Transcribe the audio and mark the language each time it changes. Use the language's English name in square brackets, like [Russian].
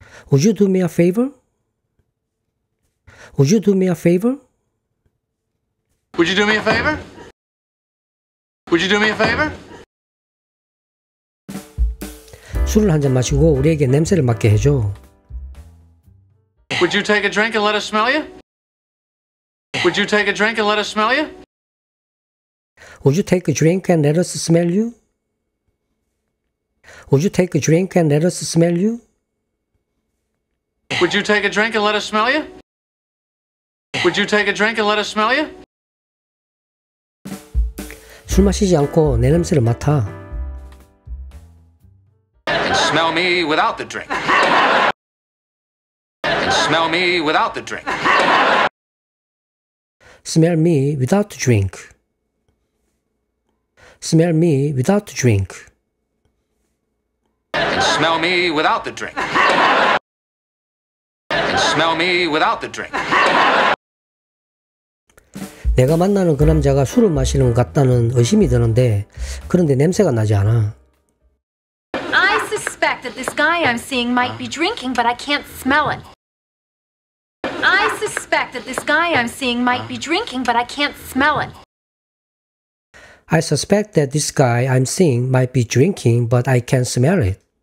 [English] Would you do me a favor? Would you do me a favor? Would you do me a favor? Would you do me a favor? [Korean] 술을 한 잔 마시고 우리에게 냄새를 맡게 해줘. [English] Would you take a drink and let us smell you? Would you take a drink and let us smell you? Would you take a drink and let us smell you? Would you take a drink and let us smell you? Would you take a drink and let us smell you? Would you take a drink and let us smell you? [Korean] 술 마시지 않고 내 냄새를 맡아. [English] And smell me without the drink. And smell me without the drink. Smell me without the drink. Smell me without the drink. Smell me without the drink. And smell me without the drink. [Korean] 내가 만나는 그 남자가 술을 마시는 것 같다는 의심이 드는데 그런데 냄새가 나지 않아. [English] I suspect that this guy I'm seeing might be drinking, but I can't smell it. I suspect that this guy I'm seeing might be drinking, but I can't smell it. I suspect that this guy I'm seeing might be drinking, but I can't smell it.